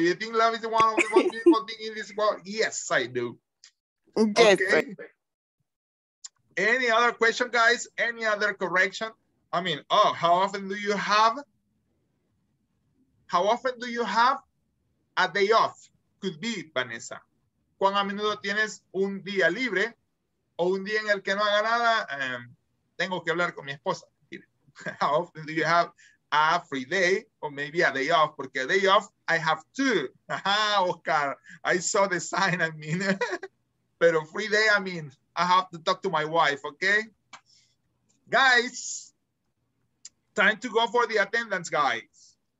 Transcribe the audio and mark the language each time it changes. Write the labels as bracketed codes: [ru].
[en] You think love is one of the most beautiful things in this world? Yes, I do. Yes. Okay. Any other question, guys? Any other correction? I mean, oh, how often do you have? How often do you have a day off? Could be, Vanessa. [es] ¿Cuán a menudo tienes un día libre o un día en el que no haga nada? Tengo que hablar con mi esposa. [en] How often do you have a free day or maybe a day off? Porque a day off, I have two. Oscar, I saw the sign, I mean. Pero free day, I mean, I have to talk to my wife, okay? Guys, time to go for the attendance, guys.